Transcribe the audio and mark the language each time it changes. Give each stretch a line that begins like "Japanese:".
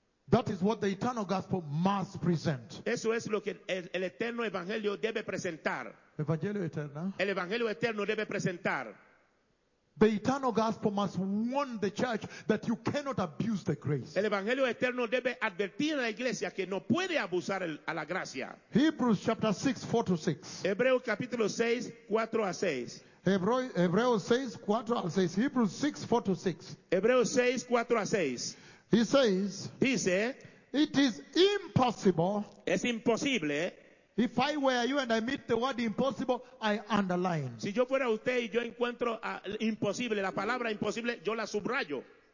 English: That is what the eternal gospel must present.
Spanish: Eso es lo que el eterno evangelio debe presentar. Evangelio eterno. El evangelio eterno debe presentar.
English: The eternal gospel must warn the church that you cannot abuse the grace.
Spanish: El evangelio eterno debe advertir a la iglesia que no puede abusar a la gracia.
English: Hebrews chapter 6, 4 to 6.
Spanish: Hebreos capítulo 6, 4 a 6. Hebreos 6, 4 a 6. Hebrews 6, 4 to 6. Hebreos 6, 4 a 6.
English: He says,
Spanish: dice,
English: it is impossible.
Spanish: Es imposible.
English: If I were you and I meet the word impossible, I underline.
Spanish: Si yo fuera usted y yo encuentro imposible, la palabra imposible, yo la subrayo.